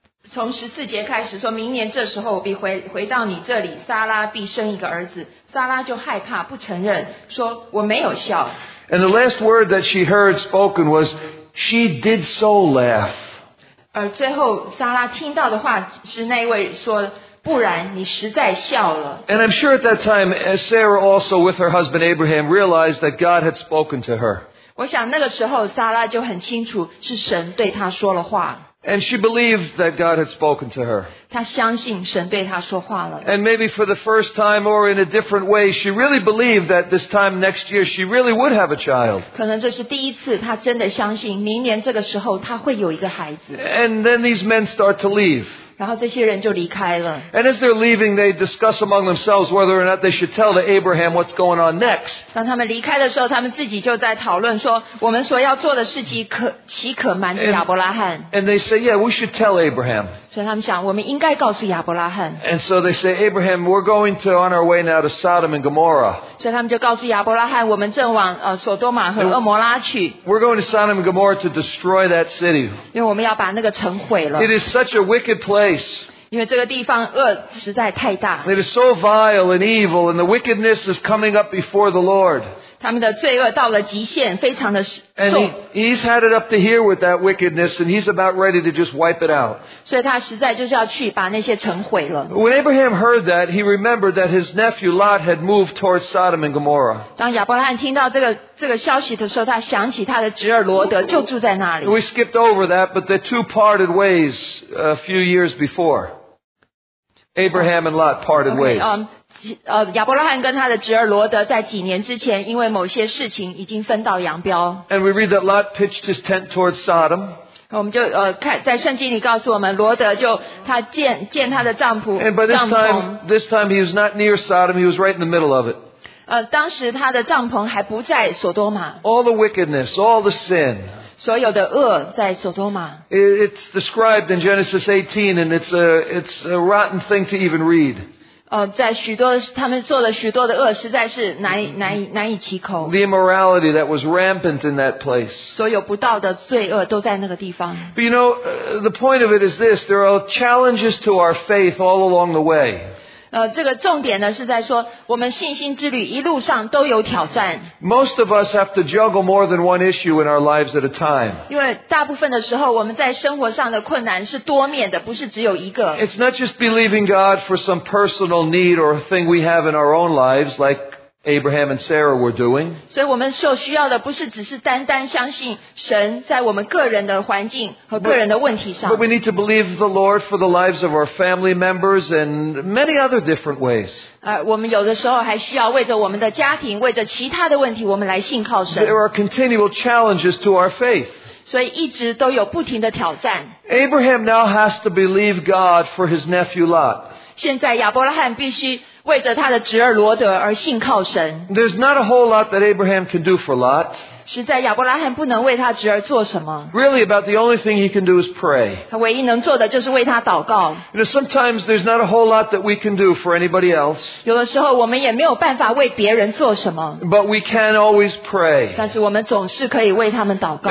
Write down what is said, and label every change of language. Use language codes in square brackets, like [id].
[zh] 从十四节开始说，明年这时候我必回到你这里，撒拉必生一个儿子。撒拉就害怕，不承认，说我没有笑。 [en] And the last word that she heard spoken was, she did so laugh. [zh] 而最后撒拉听到的话是那位说，不然你实在笑了。 [en] And I'm sure at that time, Sarah also with her husband Abraham realized that God had spoken to her. [zh] 我想那个时候撒拉就很清楚是神对她说了话。 [en] And she believed that God had spoken to her. [zh] 她相信神对她说话了。 [en] And maybe for the first time or in a different way, she really believed that this time next year she really would have a child. [zh] 可能这是第一次她真的相信明年这个时候她会有一个孩子。 [en] And then these men start to leave. [zh] 然后这些人就离开了。 [en] And as they're leaving, they discuss among themselves whether or not they should tell to Abraham what's going on next. [zh] 当他们离开的时候，他们自己就在讨论说，我们所要做的事情岂可瞒着亚伯拉罕。 [en] And they say, yeah, we should tell Abraham. [zh] 所以他们想，我们应该告诉亚伯拉罕。 [en] And so they say, Abraham, we're going to on our way now to Sodom and Gomorrah. [zh] 所以他们就告诉亚伯拉罕，我们正往索多玛和俄摩拉去。 [en] We're going to Sodom and Gomorrah to destroy that city. [zh] 因为我们要把那个城毁了。 [en] It is such a wicked place. [zh] 因为这个地方恶实在太大。 [en] It is so vile and evil, and the wickedness is coming up before the Lord. [zh] 他们的罪恶到了极限，非常的重。 [en] And he's had it up to here with that wickedness, and he's about ready to just wipe it out. [zh] 所以他实在就是要去把那些城毁了。 [en] When Abraham heard that, he remembered that his nephew Lot had moved towards Sodom and Gomorrah. [zh] 当亚伯拉罕听到这个消息的时候，他想起他的侄儿罗德就住在那里。 [en] We skipped over that, but the two parted ways a few years before. Abraham and Lot parted ways. [zh] 亚伯拉罕跟他的侄儿罗德在几年之前因为某些事情已经分道扬镳。 [en] And we read that Lot pitched his tent towards Sodom. [zh] 我们就在圣经里告诉我们，罗德就他建他的帐篷。 [en] And by this time he was not near Sodom, he was right in the middle of it. [zh] 当时他的帐篷还不在索多玛。 [en] All the wickedness, all the sin. [zh] 所有的恶在索多玛。 [en] It's described in Genesis 18, and it's a rotten thing to even read. [zh] 在许多他们做了许多的恶，实在是难以启口。 [en] The immorality that was rampant in that place. [zh] 所有不道的罪恶都在那个地方。 [en] But you know, the point of it is this: there are challenges to our faith all along the way. [zh] 这个重点呢是在说我们信心之旅一路上都有挑战。 [en] Most of us have to juggle more than one issue in our lives at a time. [zh] 因为大部分的时候我们在生活上的困难是多面的，不是只有一个。 [en] It's not just believing God for some personal need or thing we have in our own lives like Abraham and Sarah were doing. [zh] 所以我们所需要的不是只是单单相信神在我们个人的环境和个人的问题上。 [en] But we need to believe the Lord for the lives of our family members and many other different ways. [zh] 我们有的时候还需要为着我们的家庭，为着其他的问题，我们来信靠神。 [en] There are continual challenges to our faith. [zh] 所以一直都有不停的挑战。 [en] Abraham now has to believe God for his nephew Lot. [zh] 现在亚伯拉罕必须为着他的侄儿罗德而信靠神。 [en] There's not a whole lot that Abraham can do for Lot. [zh] 实在亚伯拉罕不能为他侄儿做什么。 [en] Really, about the only thing he can do is pray. [zh] 他唯一能做的就是为他祷告。 [en] You know, sometimes there's not a whole lot that we can do for anybody else. [zh] 有的时候我们也没有办法为别人做什么。 [en] But we can always pray. [zh] 但是我们总是可以为他们祷告。